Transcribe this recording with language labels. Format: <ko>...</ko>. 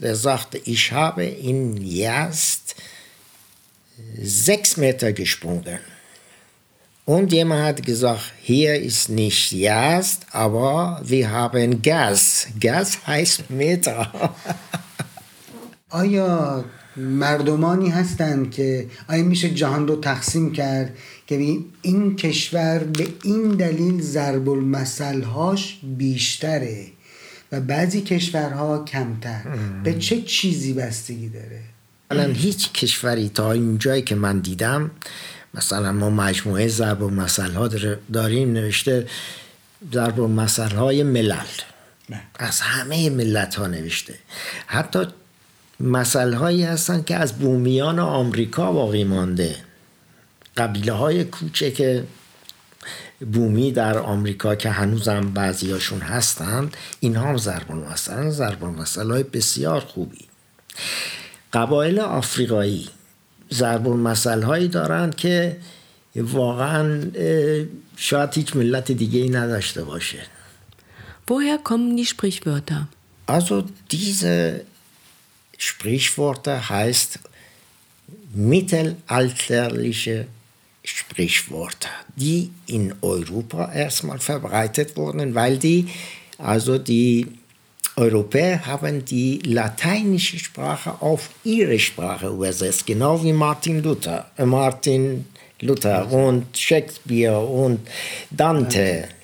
<de>Der sagte, ich habe in Yazd 6 Meter gesprungen. Und jemand hat gesagt, hier ist nicht Yazd, aber wir haben Gas. Gas heißt Meter.</de> <fa>آیا مردمانی هستند که آیا میشه جهان رو تقسیم کرد که این کشور به این دلیل ضرب المثل هاش بیشتره و بعضی کشورها کمتر؟ به چه چیزی بستگی داره؟ الان هیچ کشوری تا اینجایی که من دیدم، مثلا ما مجموعه ضرب المثل ها داریم نوشته ضرب المثل های ملل، از همه ملت ها نوشته. حتی مثل هایی هستن که از بومیان آمریکا باقی مانده، قبیله های کوچک بومی در آمریکا که هنوزم بعضی هاشون هستند، این هم ضرب المثل، ضرب المثل های بسیار خوبی. قبایل آفریقایی ضرب المثل هایی دارند که واقعا شاید هیچ ملت دیگه ای نداشته باشه.</fa> <de>Woher kommen die Sprichwörter? Also diese Sprichwörter heißt mittelalterliche Sprichwörter, die in Europa erstmal verbreitet wurden, weil die Europäer haben die lateinische Sprache auf ihre Sprache übersetzt, genau wie Martin Luther und Shakespeare und Dante.</de>